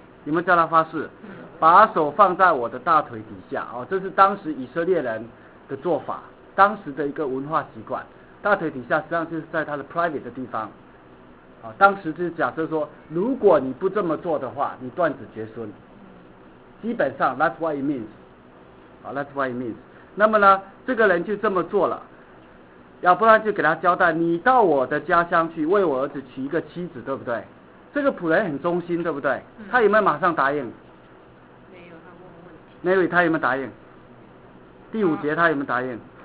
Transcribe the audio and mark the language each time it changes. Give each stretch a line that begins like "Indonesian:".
Chinese: 你们叫他发誓，把手放在我的大腿底下啊，这是当时以色列人的做法，当时的一个文化习惯。大腿底下实际上就是在他的 private 的地方，啊，当时就是假设说，如果你不这么做的话，你断子绝孙。基本上
English: that's what it means， 啊 ，that's what it means。
Chinese: 那么呢，这个人就这么做了，要不然就给他交代，你到我的家乡去为我儿子娶一个妻子，对不对？这个仆人很忠心，对不对？他有没有马上答应？没有，他问问题。Mary， 他有没有答应？第五节他有没有答应？